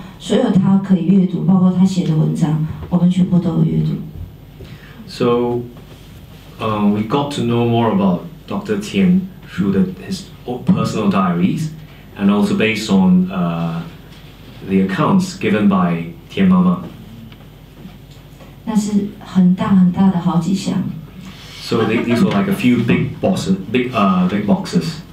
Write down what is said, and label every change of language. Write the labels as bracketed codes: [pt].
[zh] 所有他可以阅读，包括他写的文章，我们全部都有阅读。 [en] So, we got to know more about Dr. Tian through his personal diaries, and also based on the accounts given by Tian Mama. [zh] 那是很大很大的好几箱。 [en] So these were like a few big boxes.